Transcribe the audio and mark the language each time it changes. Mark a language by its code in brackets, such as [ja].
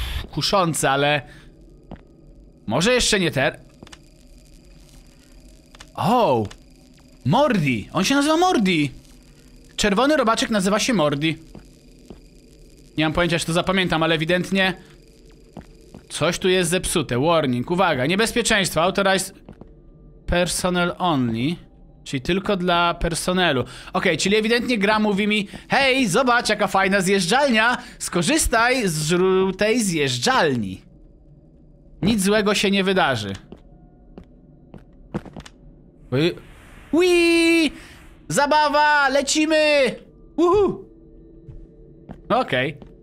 [pl] Kuszące, ale... Może jeszcze nie ter... Mordi! On się nazywa Mordi! Czerwony robaczek nazywa się Mordi. Nie mam pojęcia, czy to zapamiętam, ale ewidentnie... Coś tu jest zepsute. [en] Warning. [pl] Uwaga. Niebezpieczeństwo. [en] Authorized personnel only. [pl] Czyli tylko dla personelu. Okej, czyli ewidentnie gra mówi mi: hej, zobacz, jaka fajna zjeżdżalnia! Skorzystaj z żółtej zjeżdżalni. Nic złego się nie wydarzy. Wiii! Zabawa! Lecimy! Uhu! Okej.